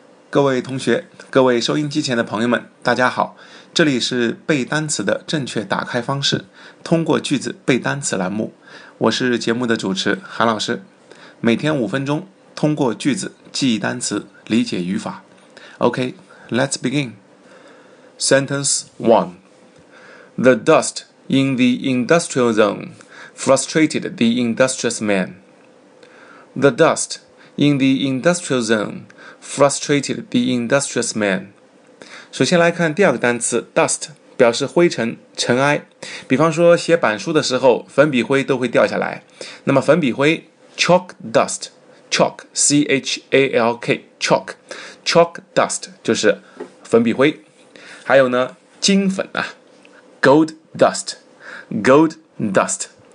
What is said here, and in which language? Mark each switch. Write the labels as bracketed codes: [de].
[zh] 各位同学，各位收音机前的朋友们，大家好，这里是背单词的正确打开方式，通过句子背单词栏目，我是节目的主持韩老师，每天五分钟，通过句子记忆单词，理解语法。 [en] OK, let's begin. Sentence 1. The dust in the industrial zone frustrated the industrious man. The dust in the industrial zone frustrated the industrious man. [zh] 首先来看第二个单词 dust, 表示灰尘、尘埃。比方说写板书的时候，粉笔灰都会掉下来。那么粉笔灰 chalk dust, chalk, C-H-A-L-K, chalk, chalk dust, 就是粉笔灰。还有呢，金粉啊 ,gold dust, gold dust。